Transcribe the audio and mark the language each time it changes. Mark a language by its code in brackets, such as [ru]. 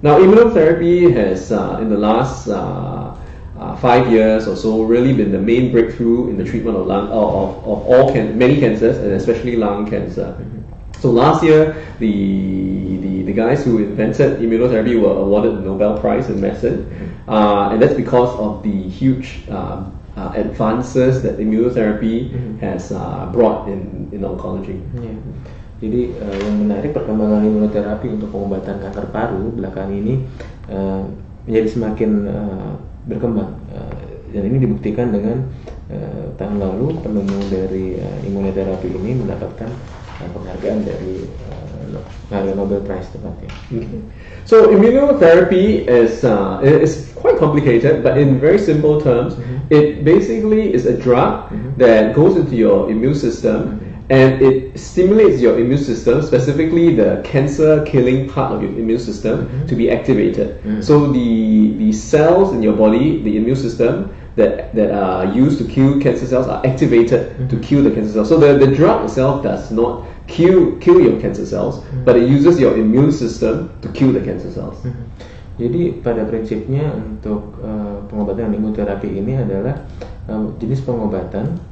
[en] Now, immunotherapy has in the last 5 years or so really been the main breakthrough in the treatment of many cancers, and especially lung cancer. Mm-hmm. So last year, the guys who invented immunotherapy were awarded the Nobel Prize in medicine, mm-hmm. And that's because of the huge advances that immunotherapy mm-hmm. has brought in oncology. Yeah. [id] Jadi yang menarik, perkembangan immunotherapy untuk pengobatan kanker paru belakang ini menjadi semakin berkembang, dan ini dibuktikan dengan tahun lalu penemu dari immunotherapy ini mendapatkan penghargaan dari Nobel Prize tepatnya. [en] Okay. So immunotherapy is quite complicated, but in very simple terms, mm-hmm. it basically is a drug mm-hmm. that goes into your immune system mm-hmm. and it stimulates your immune system, specifically the cancer killing part of your immune system mm-hmm. to be activated. Mm-hmm. So the cells in your body, the immune system that are used to kill cancer cells are activated mm-hmm. to kill the cancer cells. So the drug itself does not kill your cancer cells, mm-hmm. but it uses your immune system to kill the cancer cells. Mm-hmm. [id] Jadi pada prinsipnya untuk pengobatan imunoterapi ini adalah jenis pengobatan